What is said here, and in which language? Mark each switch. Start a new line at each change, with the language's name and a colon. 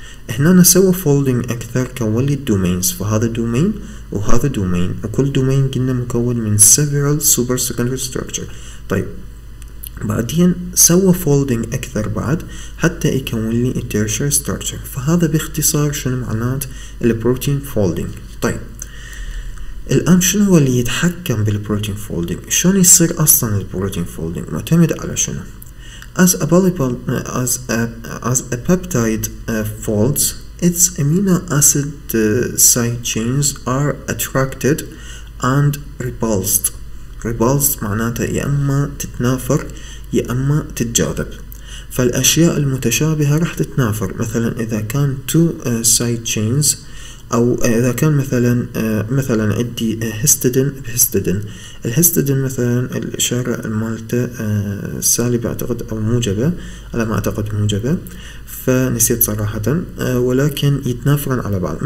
Arabic: هنا سوى فولدينج اكثر كون لي الدومينز، فهذا دومين وهذا دومين، وكل دومين قلنا مكون من
English: several super secondary structure.
Arabic: طيب بعدين سوى folding أكثر بعد حتى يكون لي tertiary structure. فهذا باختصار شنو معنات البروتين folding. طيب الآن شنو هو اللي يتحكم بالبروتين folding؟ شلون يصير أصلاً البروتين folding؟ معتمد على شنو؟
English: As a peptide folds, its amino acid side chains are attracted and repulsed.
Arabic: Repulsed معناتها يا أما تتنافر يا أما تتجاذب. فالأشياء المتشابهة راح تتنافر، مثلا إذا كان
English: two side chains
Arabic: أو إذا كان مثلا مثلا عندي هيستيدين بهيستيدين. الهيستيدين مثلا الإشارة مالته سالبة أعتقد أو موجبة، على ما أعتقد موجبة فنسيت صراحة، ولكن يتنافرن على بعض.